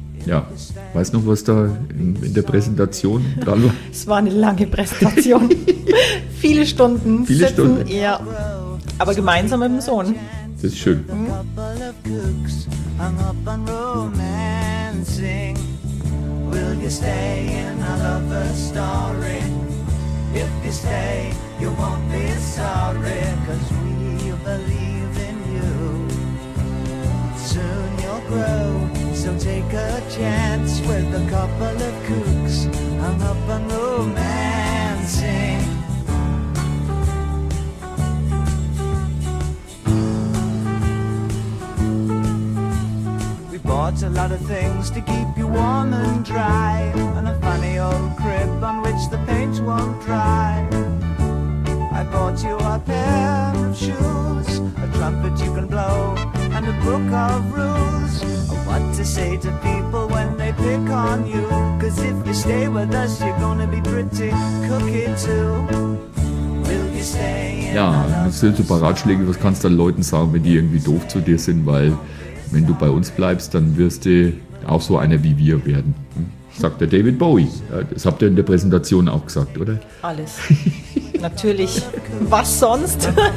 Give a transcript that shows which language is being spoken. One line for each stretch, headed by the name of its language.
German: Ja, weißt du noch, was da in der Präsentation dran war? Es war eine lange Präsentation. Viele Stunden. Viele sitzen, Stunden. Ja, aber gemeinsam mit dem Sohn. Das ist schön.
English: A couple of cooks hung up on romancing. Will you stay in a lover's story? If you stay, you won't be sorry. Cause we believe in you. Soon you'll grow. So take a chance with a couple of cooks hung up on romancing. Bought a lot of things to keep you warm and dry, and a funny old crib on which the paint won't dry. I bought you a pair of shoes, a trumpet you can blow, and a book of rules of what to say to people when they pick on you. Cause if you stay with us, you're gonna be pretty cookie too. Will you
German: Ja, das sind super Ratschläge. Was kannst du dann Leuten sagen, wenn die irgendwie doof zu dir sind? Weil wenn du bei uns bleibst, dann wirst du auch so einer wie wir werden. Sagt der David Bowie. Das habt ihr in der Präsentation auch gesagt, oder? Alles. Natürlich. Was sonst?